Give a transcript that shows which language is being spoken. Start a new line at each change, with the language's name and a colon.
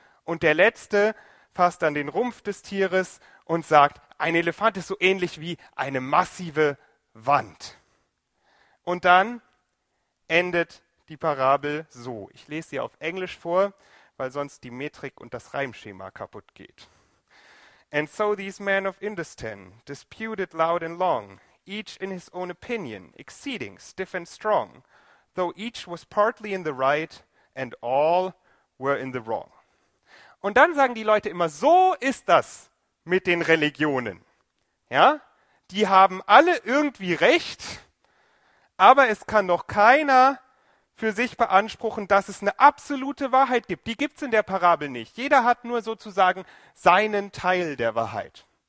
German: Und der Letzte fasst dann den Rumpf des Tieres und sagt, ein Elefant ist so ähnlich wie eine massive Wand. Und dann endet die Parabel so. Ich lese sie auf Englisch vor, weil sonst die Metrik und das Reimschema kaputt geht.
English: And so these men of Indistan disputed loud and long, each in his own opinion, exceeding stiff and strong, though each was partly in the right and all were in the wrong.
German: Und dann sagen die Leute immer, so ist das mit den Religionen. Ja? Die haben alle irgendwie recht, aber es kann doch keiner für sich beanspruchen, dass es eine absolute Wahrheit gibt. Die gibt's in der Parabel nicht. Jeder hat nur sozusagen seinen Teil der Wahrheit.